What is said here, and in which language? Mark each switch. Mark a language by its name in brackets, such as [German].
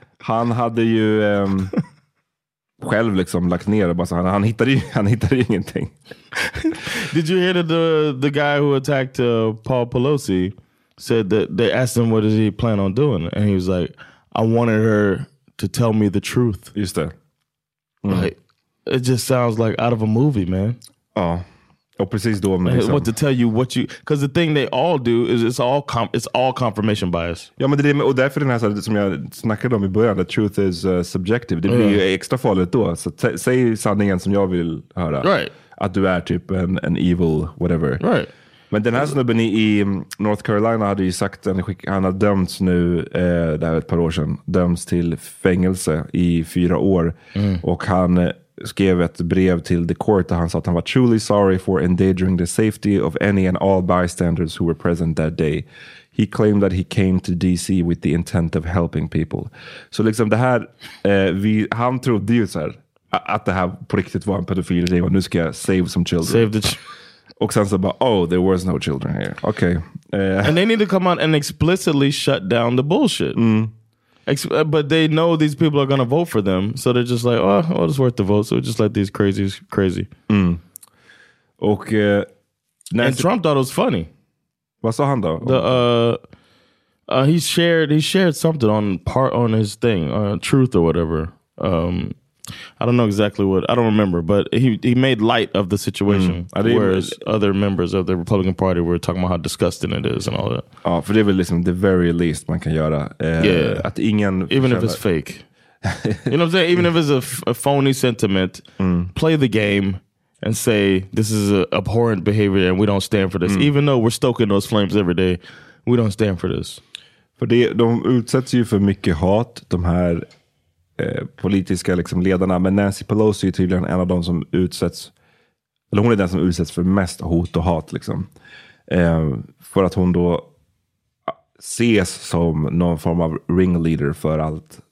[Swedish] Han hade ju själv liksom lagt ner det, bara så han hittade ju ingenting. [English] Did you hear that the guy who attacked Paul Pelosi said that they asked him what does he plan on doing, and he was like, I wanted her to tell me the truth. [Swedish] Just det. Mm. [English] Like, it just sounds like out of a movie, man. [Swedish] Oh. Oh, precis då, [English] man. What to tell you what you, because the thing they all do is it's all confirmation bias. [Swedish] Ja, men det är, och därför den här som jag snackade om i början, [English] the truth is subjective. [Swedish] Det blir ju extra farligt då. Så säg sanningen som jag vill höra. [English] Right. [Swedish] Att du är typ en [English] evil whatever. Right. [Swedish] Men den här snubben i North Carolina hade ju sagt, han har dömts nu, det här ett par år sedan, dömts till fängelse i 4 år. Och han skrev ett brev till The Court där han sa att han var [English] truly sorry for endangering the safety of any and all bystanders who were present that day. He claimed that he came to DC with the intent of helping people. [Swedish] Så liksom det här, han trodde ju så här, att det här på riktigt var en pedofil ring och nu ska jag [English] save some children. Save the [Swedish] Och sen så bara, [English] oh, there was no children here. Okay. And they need to come out and explicitly shut down the bullshit. Mm. But they know these people are going to vote for them. So they're just like, oh, well, it's worth the vote. So just let these crazies crazy. [Swedish] Mm. Och, [English] and Trump thought it was funny. [Swedish] Vad sa han då? [English] He shared something on his thing, Truth or whatever. I don't know exactly what, I don't remember, but he made light of the situation, whereas other members of the Republican Party were talking about how disgusting it is and all that. [Swedish] Ja, för det är väl liksom [English] the very least [Swedish] man kan göra. Att ingen, [English] even if it's fake. You know what I'm saying? Even if it's a phony sentiment, play the game and say this is an abhorrent behavior and we don't stand for this. Mm. Even though we're stoking those flames every day, we don't stand for this. [Swedish] För de utsätts ju för mycket hat, de här politiska liksom ledarna, men Nancy Pelosi är tydligen en av dem som utsätts, eller hon är den som utsätts för mest hot och hat liksom, för att hon då ses som någon form av ringleader för allt.